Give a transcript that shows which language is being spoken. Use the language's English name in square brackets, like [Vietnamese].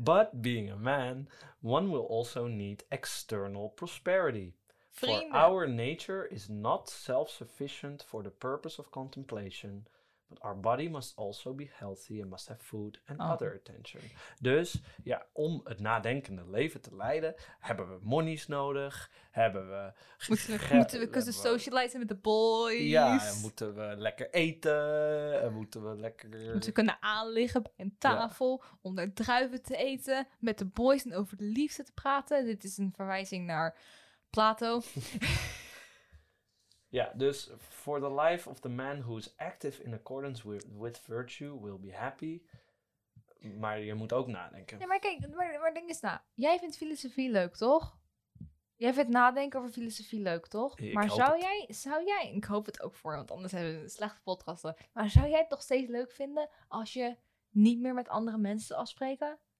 [English] but being a man, one will also need external prosperity. [Dutch] Vrienden. [English] For our nature is not self-sufficient for the purpose of contemplation, but our body must also be healthy and must have food and other attention. [Dutch] Dus ja, om het nadenkende leven te leiden, hebben we monies nodig, hebben we... Moeten we socializen met de boys. Ja, en moeten we lekker eten, en moeten we lekker... Moeten we kunnen aanliggen bij een tafel, ja, om daar druiven te eten, met de boys en over de liefde te praten. Dit is een verwijzing naar Plato. Ja, dus [English] for the life of the man who is active in accordance with virtue will be happy. [Dutch] Maar je moet ook nadenken. Ja, maar kijk, maar ding is na. Jij vindt filosofie leuk, toch? Jij vindt nadenken over filosofie leuk, toch? Maar zou jij, ik hoop het ook voor, want anders hebben we een slechte podcast. Maar zou jij het nog steeds leuk vinden als je niet meer met andere mensen afspreken?